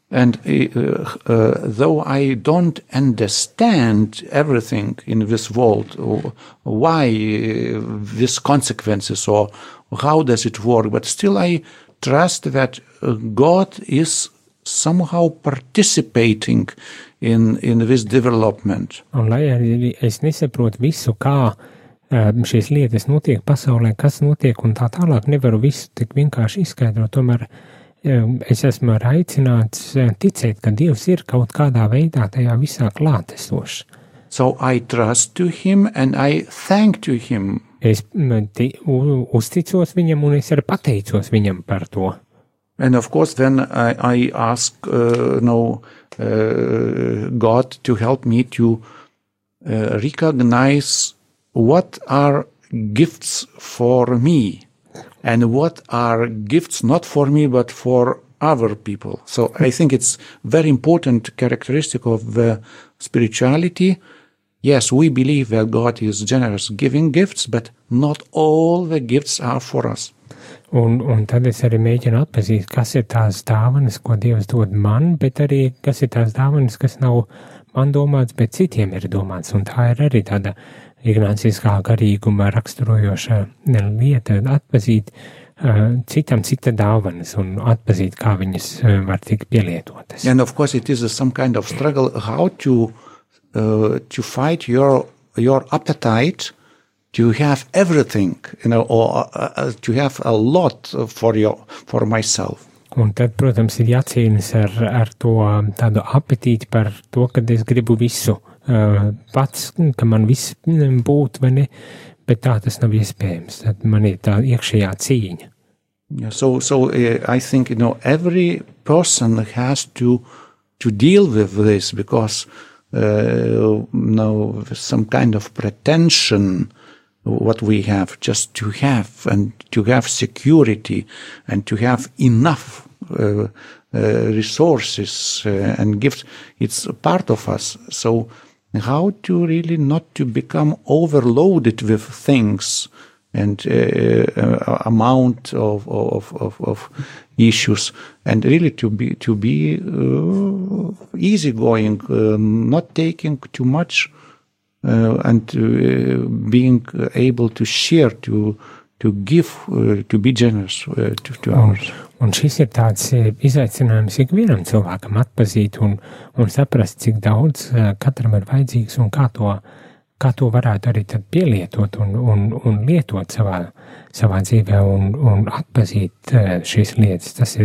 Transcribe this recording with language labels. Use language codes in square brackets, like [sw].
[en] And though I don't understand everything in this world, why these consequences or how does it work, but still I trust that God is somehow participating in this development. [lv] Un lai arī es nesaprotu visu, kā šīs lietas notiek pasaulē, kas notiek un tā tālāk, nevaru visu tik vienkārši izskaidrot, tomēr es esmu aicināts ticēt, ka Dievs ir kaut kādā veidā tajā visā klātesošs. [en] So I trust to him and I thank to him. [lv] Es uzticos viņam un es arī pateicos viņam par to. [en] And of course then I ask God to help me to recognize what are gifts for me. And what are gifts not for me, but for other people. So I think it's very important characteristic of the spirituality. Yes, we believe that God is generous giving gifts, but not all the gifts are for us. [lv] Un tad es arī mēģinu atpazīt, kas ir tās dāvanas, ko Dievs dod man, bet arī kas ir tās dāvanas, kas nav man domāts, bet citiem ir domāts. Un tā ir arī tāda ignāciskā garīguma raksturojošā lieta, atpazīt citam cita dāvanas un atpazīt, kā viņas var tikt pielietotas. [en] And of course it is some kind of struggle how to fight your appetite to have everything, you know, or to have a lot for myself. [lv] Un tad, protams, ir jācīnas ar to tādu apetīti par to, kad es gribu visu pats, ka man viss būtu, vai ne, bet tā tas nav iespējams, tad man ir tā iekšējā cīņa. [en] Yeah, so I think, you know, every person has to deal with this, because some kind of pretension, what we have, just to have and to have security and to have enough resources and gifts. It's a part of us. So how to really not to become overloaded with things and amount of issues, and really to be easygoing, not taking too much, and being able to share, to give, to be generous to others. [lv] Un šis ir tāds izaicinājums ikvienam cilvēkam atpazīt un saprast, cik daudz katram ir vajadzīgs un kā to varētu arī tad pielietot un lietot savā dzīvē un atpazīt šīs lietas.